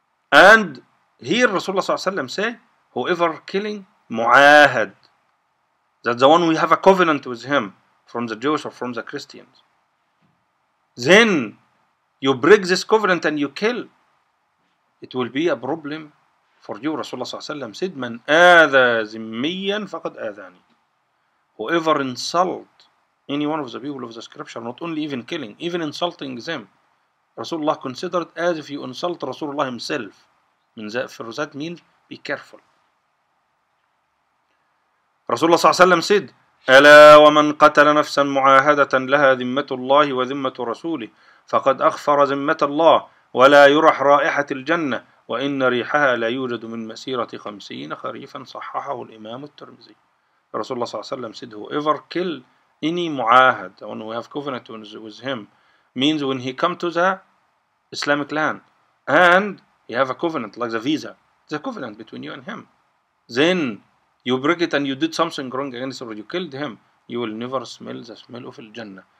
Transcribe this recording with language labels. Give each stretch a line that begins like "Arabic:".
English: And here Rasulullah صلى الله عليه وسلم say, whoever killing mu'ahad, that the one we have a covenant with him, from the Jewish or from the Christians, then you break this covenant and you kill, it will be a problem for you. Rasulullah صلى الله عليه وسلم said,
Arabic: من آذى ذميا فقد آذاني.
English: whoever insult any one of the people of the scripture, not only even killing, even insulting them, Rasulullah considered as if you insult Rasulullah himself. For that means, be careful.
Arabic: Rasulullah صلى الله عليه وسلم said, ألا ومن قتل نفسا معاهدة لها ذمة الله وذمة رسوله فقد أغفر ذمة الله ولا يرح رائحة الجنة وإن ريحها لا يوجد من مسيرة 50 خريفا صححه الإمام الترمذي.
English: رسول الله صلى الله عليه وسلم said, whoever kill any معاهد, when we have covenant with him, means when he come to the Islamic land and he have a covenant like the visa, it's a covenant between you and him, then you break it and you did something wrong against him, or you killed him, you will never smell the smell of Al-Jannah.